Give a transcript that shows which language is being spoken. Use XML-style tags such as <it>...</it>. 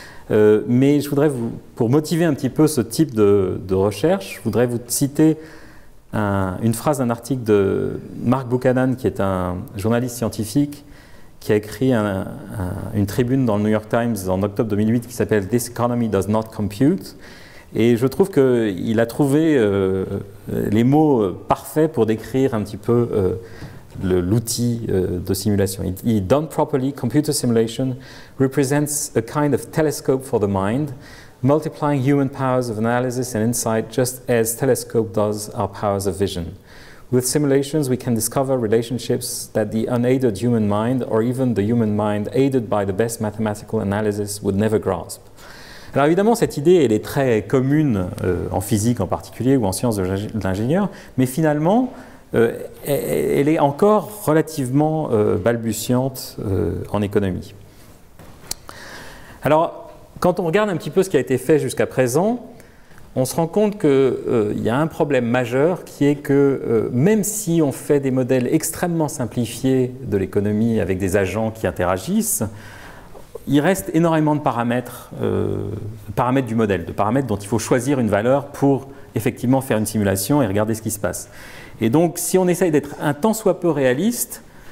<fr>Mais je voudrais, pour motiver un petit peu ce type de recherche, je voudrais vous citer une phrase d'un article de Mark Buchanan, qui est un journaliste scientifique, qui a écrit une tribune dans le New York Times en octobre 2008 qui s'appelle «</fr> <en>This economy does not compute ».</en> <fr>Et je trouve qu'il a trouvé les mots parfaits pour décrire un petit peu l'outil de simulation.</fr> <en>« Done properly, computer simulation represents a kind of telescope for the mind, multiplying human powers of analysis and insight just as telescope does our powers of vision. » With simulations, we can discover relationships that the unaided human mind, or even the human mind aided by the best mathematical analysis, would never grasp.</en> <fr>Alors évidemment, cette idée, elle est très commune en physique en particulier, ou en sciences de l'ingénieur, mais finalement, elle est encore relativement balbutiante en économie. Alors, quand on regarde un petit peu ce qui a été fait jusqu'à présent, on se rend compte qu'il y a un problème majeur qui est que même si on fait des modèles extrêmement simplifiés de l'économie avec des agents qui interagissent, il reste énormément de paramètres du modèle, de paramètres dont il faut choisir une valeur pour effectivement faire une simulation et regarder ce qui se passe. Et donc, si on essaye d'être un tant soit peu réaliste,</fr>